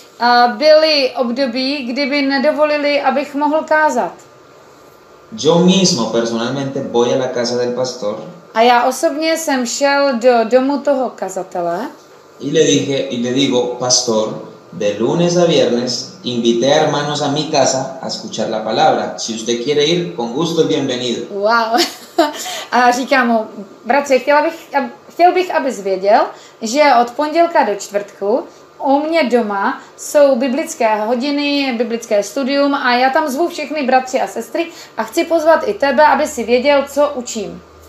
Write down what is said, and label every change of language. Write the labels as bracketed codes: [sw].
[cs] A byly období, kdyby nedovolili, abych mohl kázat. [es] Yo mismo personalmente voy a la casa del pastor. [cs] A já osobně jsem šel do domu toho kazatele. [es] Y le digo, pastor, de lunes a viernes invité a hermanos a mi casa a escuchar la palabra. Si usted quiere ir, con gusto, bienvenido. Wow. [cs] A říkám mu, bratře, chtěl bych, abys věděl, že od pondělka do čtvrtku u mě doma jsou biblické hodiny, biblické studium a já tam zvu všechny bratři a sestry a chci pozvat i tebe, aby si věděl, co učím.